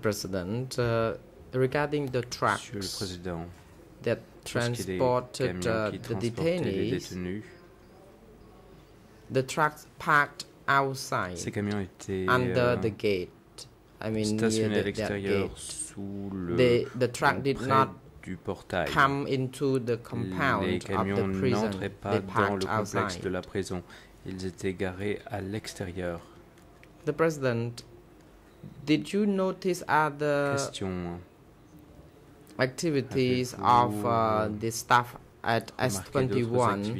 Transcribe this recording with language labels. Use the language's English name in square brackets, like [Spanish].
[English] President, regarding the trucks that transported the detainees, the trucks parked outside under the gate. I mean, near the gate. The truck did not come into the compound of the prison. [French] Les camions n'entraient pas dans le complexe de la prison. Ils étaient garés à l'extérieur. [English] The president, did you notice other activities of the staff at S21?